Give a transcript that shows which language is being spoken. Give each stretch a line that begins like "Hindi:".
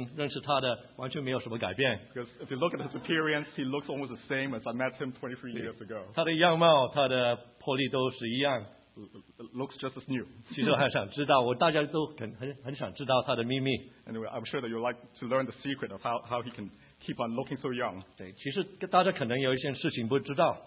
Chinese: 因为李秀全牧师跟我23年前认识他的完全没有什么改变,
English: because if you look at his appearance, he looks almost the same as I met him 23 years ago.
Chinese: 他的样貌，他的魄力都是一样,
English: looks just as new.
Chinese: 其实我还想知道，大家都很想知道他的秘密。
English: Anyway, I'm sure that you'd like to learn the secret of how he can keep on looking so young.
Chinese: 对，其实大家可能有一些事情不知道。